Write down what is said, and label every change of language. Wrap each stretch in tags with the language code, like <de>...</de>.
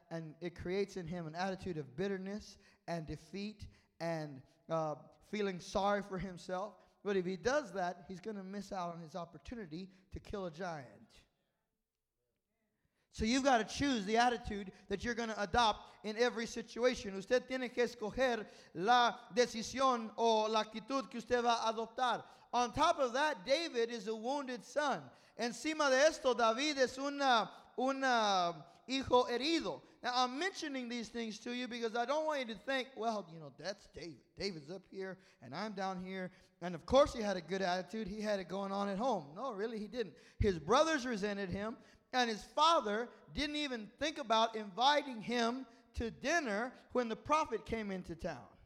<en>And it creates in him an attitude of bitterness and defeat and feeling sorry for himself. But if he does that, he's going to miss out on his opportunity to kill a giant. So you've got to choose the attitude that you're going to adopt in every situation.</en> <es>Usted tiene que escoger la decisión o la actitud que usted va a adoptar.</es> <en>On top of that, David is a wounded son.</en> <es>Encima de esto, David es una hijo herido.</es> <en>Now, I'm mentioning these things to you because I don't want you to think, well, you know, that's David. David's up here, and I'm down here. And, of course, he had a good attitude. He had it going on at home. No, really, he didn't. His brothers resented him. And his father didn't even think about inviting him to dinner when the prophet came into town.</en>